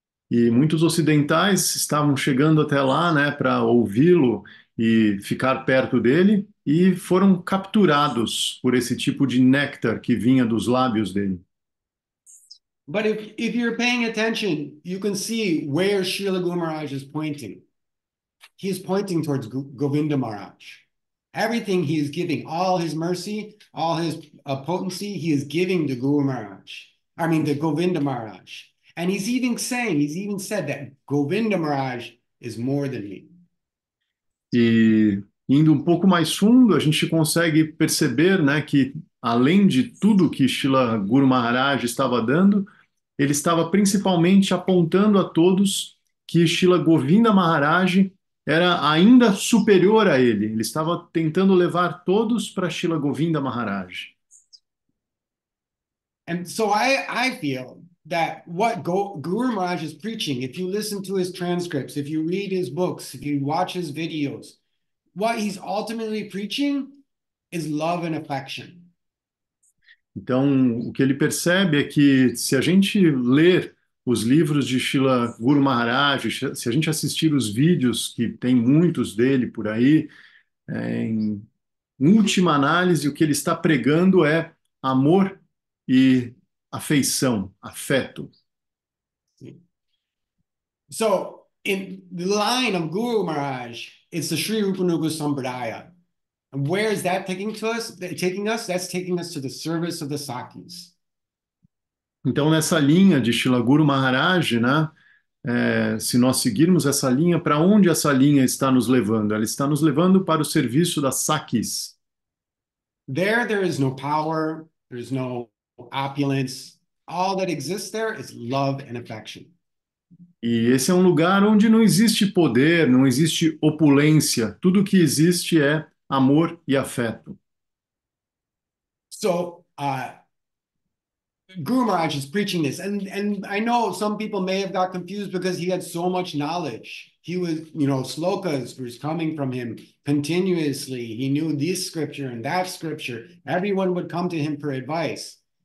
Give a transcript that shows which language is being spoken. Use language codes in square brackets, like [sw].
[pt] E muitos ocidentais estavam chegando até lá, né, para ouvi-lo e ficar perto dele, e foram capturados por esse tipo de néctar que vinha dos lábios dele. [en] But if you're paying attention, you can see where Srila Guru Maharaj is pointing. He is pointing towards Govinda Maharaj. Everything he is giving, all his mercy, all his potency, he is giving to Guru Maharaj. I mean, to Govinda Maharaj. And he's even said that Govinda Maharaj is more than me. [pt] E indo um pouco mais fundo, a gente consegue perceber, né, que além de tudo que Srila Guru Maharaj estava dando, ele estava principalmente apontando a todos que Srila Govinda Maharaj era ainda superior a ele. Ele estava tentando levar todos para Srila Govinda Maharaj. [en] And so I feel that what Guru Maharaj is preaching, if you listen to his transcripts, if you read his books, if you watch his videos, what he's ultimately preaching is love and affection. [pt] Então, o que ele percebe é que se a gente ler os livros de Srila Guru Maharaj, se a gente assistir os vídeos, que tem muitos dele por aí, em última análise, o que ele está pregando é amor e afeição, afeto. Sim. [en] So, in the line of Guru Maharaj, it's the Sri Rupanuga Sampradaya. Where is that taking us? That's taking us to the service of the Sakyas. [pt] Então, nessa linha de Srila Guru Maharaj, né, se nós seguirmos essa linha, para onde essa linha está nos levando? Ela está nos levando para o serviço das Sakis. [en] There is no power, there is no opulence. All that exists there is love and affection. [pt] E esse é um lugar onde não existe poder, não existe opulência. Tudo que existe é amor e afeto. [en] So, Guru Maharaj is preaching this, and I know some people may have got confused because he had so much knowledge. He was, you know, slokas were coming from him continuously. He knew this scripture and that scripture. Everyone would come to him for advice.